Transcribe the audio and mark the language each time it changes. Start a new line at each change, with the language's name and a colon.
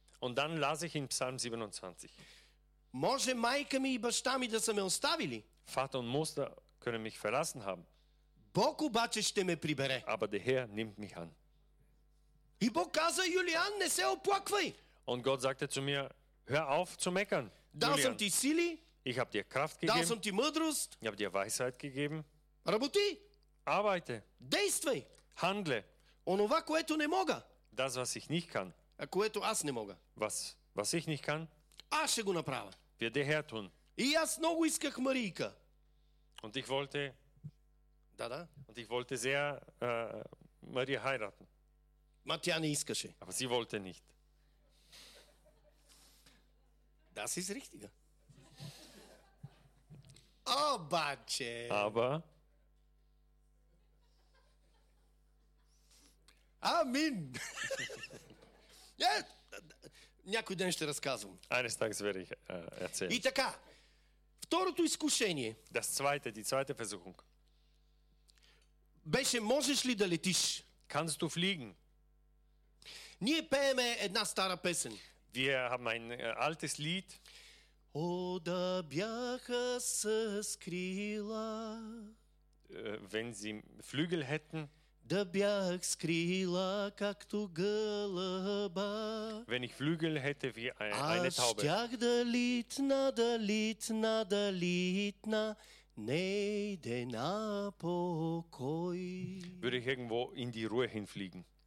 German: Und dann las ich in Psalm 27.
Bulgarian: Може майка ми и баща ми да са ме оставили?
German: Vater und Mutter können mich verlassen haben.
Bulgarian: Бог обаче ще ме прибере.
German: Aber der Herr nimmt mich an.
Bulgarian: И Бог каза, Юлиан, не се оплаквай.
German: Und Gott sagte zu mir, hör auf zu meckern,
Bulgarian: Julian. Дал съм ти сили.
German: Ich habe dir Kraft gegeben.
Bulgarian: Дал съм ти мъдрост.
German: Ich habe dir Weisheit gegeben.
Bulgarian: Работи.
German: Arbeite.
Bulgarian: Действай.
German: Handle.
Bulgarian: Онова, което не мога.
German: Das, was ich nicht kann.
Bulgarian: Което аз не мога.
German: Was ich nicht kann.
Bulgarian: Аз ще го направя.
German: Wird der Herr tun.
Bulgarian: И аз много исках Марийка.
German: Und ich wollte...
Bulgarian: Да.
German: Und ich wollte sehr Maria heiraten.
Bulgarian: Ма тя не искаше.
German: Aber sie wollte nicht. Das ist richtig.
Bulgarian: Обаче...
German: Aber...
Bulgarian: Амин! Някой ден ще разказвам.
German: Eines Tages werde ich erzählen.
Bulgarian: И така, второто изкушение...
German: Das zweite, die zweite Versuchung.
Bulgarian: Беше, можеш ли да летиш?
German: Kannst du fliegen?
Bulgarian: Ние пееме една стара песен.
German: Wir haben ein altes Lied.
Bulgarian: О, да бяха с крила.
German: Wenn sie Flügel hätten.
Bulgarian: Да бях с крила, както гълъба.
German: Wenn ich Flügel hätte wie eine Taube.
Bulgarian: Аз щях да литна, да литна, да литна, не иде на покой.
German: Würde ich irgendwo in die Ruhe hinfliegen.